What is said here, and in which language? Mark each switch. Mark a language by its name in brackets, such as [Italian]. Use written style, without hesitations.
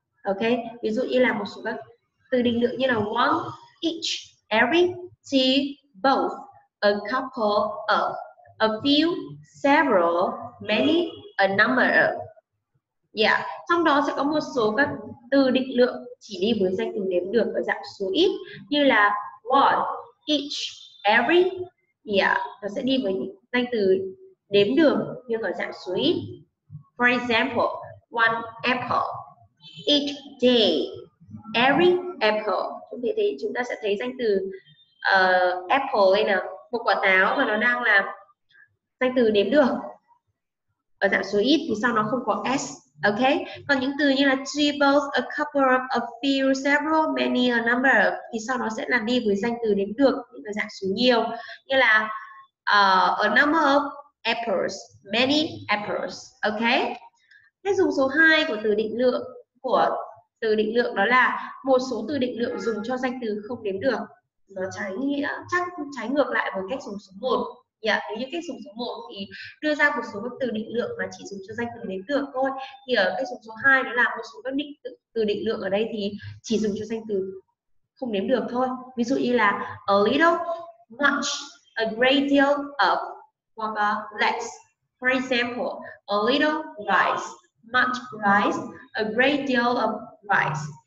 [Vietnamese] Ok, ví dụ như là một số các từ định lượng như là [English] one, each, every, two, both, a couple of, a few, several, many, a number of. [Vietnamese] Trong đó sẽ có một số các từ định lượng chỉ đi với danh từ đếm được ở dạng số ít như là [English] one, each, every. [Vietnamese] Nó sẽ đi với danh từ đếm được nhưng ở dạng số ít. [English] For example, one apple, each day, every apple. [Vietnamese] Chúng ta thấy, danh từ apple đây nào, một quả táo mà nó đang là danh từ đếm được ở dạng số ít thì sau nó không có s. Ok, còn những từ như là [English] three, both, a couple of, a few, several, many, a number of [Vietnamese] thì sau nó sẽ làm đi với danh từ đếm được nhưng ở dạng số nhiều, như là [English] a number of apples, many apples. [Vietnamese] Ok, cách dùng số 2 của từ định lượng đó là một số từ định lượng dùng cho danh từ không đếm được, nó trái nghĩa, trái ngược lại với cách dùng số 1. Nếu như cách dùng số 1 thì đưa ra một số các từ định lượng mà chỉ dùng cho danh từ đếm được thôi, thì ở cách dùng số 2 đó là một số các từ định lượng ở đây thì chỉ dùng cho danh từ không đếm được thôi. Ví dụ như là [English] a little, much, a great deal of, [Vietnamese] hoặc là less. [English] For example, a little rice, much rice, a great deal of rice.